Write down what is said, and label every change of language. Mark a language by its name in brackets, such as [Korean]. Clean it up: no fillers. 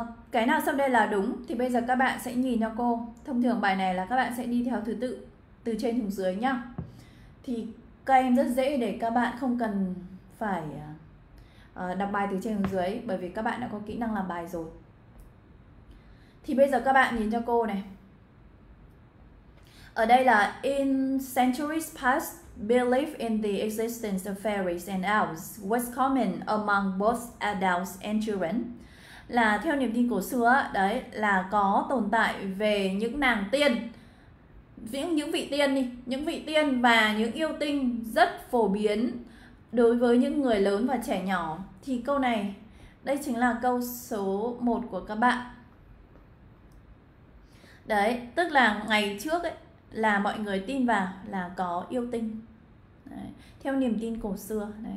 [Vietnamese] Cái nào sau đây là đúng? Thì bây giờ các bạn sẽ nhìn cho cô. Thông thường bài này là các bạn sẽ đi theo thứ tự từ trên xuống dưới nhá. Thì các em rất dễ để các bạn không cần phải đọc bài từ trên xuống dưới, bởi vì các bạn đã có kỹ năng làm bài rồi. Thì bây giờ các bạn nhìn cho cô này. Ở đây là [English] in centuries past, belief in the existence of fairies and elves was common among both adults and children. [Vietnamese] Là theo niềm tin cổ xưa đấy, là có tồn tại về những nàng tiên, những vị tiên đi, những vị tiên và những yêu tinh rất phổ biến đối với những người lớn và trẻ nhỏ. Thì câu này đây chính là câu số 1 của các bạn đấy, tức là ngày trước ấy là mọi người tin vào là có yêu tinh đấy, theo niềm tin cổ xưa đấy.